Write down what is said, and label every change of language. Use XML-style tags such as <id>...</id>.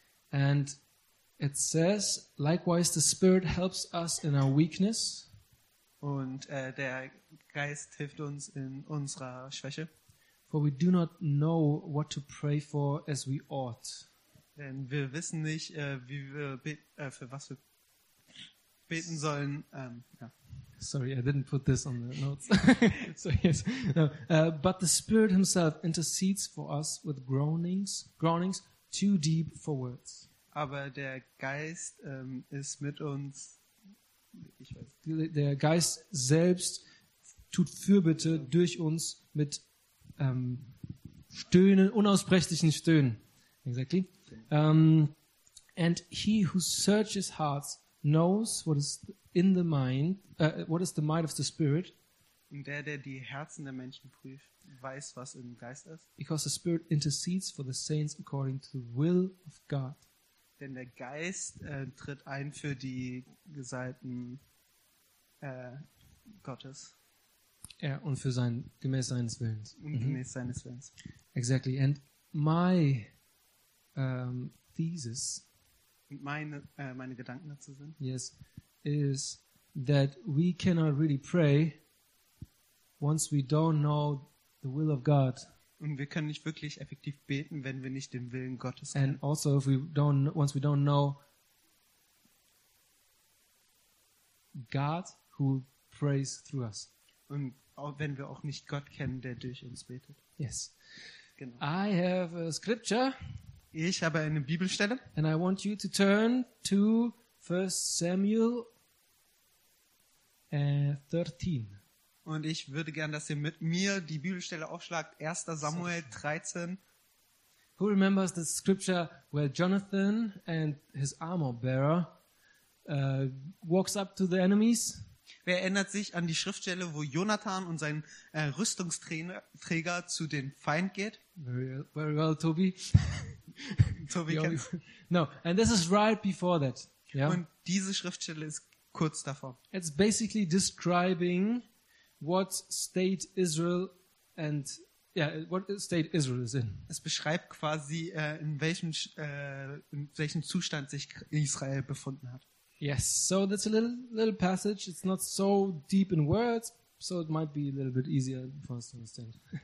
<en>And it says, likewise, the Spirit helps us in our weakness.</en> <de>Und der Geist hilft uns in unserer Schwäche.</de> <en>For we do not know what to pray for as we ought.</en> <de>Denn wir wissen nicht, wie wir für was wir beten sollen.</de> <en>Sorry, I didn't put this on the notes. So yes, no. But the Spirit Himself intercedes for us with groanings too deep for words.</en> <de>Aber der Geist ist mit uns. Ich weiß. Der Geist selbst tut Fürbitte durch uns mit Stöhnen, unausbrechlichen Stöhnen.</de> <en>Exactly. And he who searches hearts knows what is in the mind, what is the mind of the Spirit.</en> <de>Und der die Herzen der Menschen prüft, weiß, was im Geist ist.</de> <en>Because the Spirit intercedes for the saints according to the will of God.</en> <de>Denn der Geist tritt ein für die Gesalbten Gottes. Ja, und für sein, gemäß seines Willens. Und gemäß seines Willens.</de> <en>Exactly. And my thesis.</en> <de>Und meine Gedanken dazu sind.</de> <en>Yes. Is that we cannot really pray once we don't know the will of God.</en> <de>Und wir können nicht wirklich effektiv beten, wenn wir nicht den Willen Gottes kennen.</de> <en>And also if we don't, once we don't know God who prays through us.</en> <de>Und auch wenn wir auch nicht Gott kennen, der durch uns betet.</de> <en>Yes.</en> <de>Genau.</de> <en>I have a scripture.</en> <de>Ich habe eine Bibelstelle.</de> <en>And I want you to turn to 1 Samuel 13.</en> <de>Und ich würde gern, dass ihr mit mir die Bibelstelle aufschlagt. 1. Samuel 13.</de> <en>Who remembers the scripture where Jonathan and his armor bearer walks up to the enemies?</en> <de>Wer erinnert sich an die Schriftstelle, wo Jonathan und sein Rüstungsträger zu den Feind geht?</de> <en>Very well, Toby.</en> <de>Toby kennt's.</de> <en>No, and this is right before that. Yeah?</en> <de>Und diese Schriftstelle ist kurz davor.</de> <en>It's basically describing what state Israel and what state Israel is in.</en> <de>Es beschreibt quasi in welchem Zustand sich Israel befunden hat.</de> <en>Yes, so that's a little passage. It's not so deep in words, so it might be a little bit easier for us to understand.</en>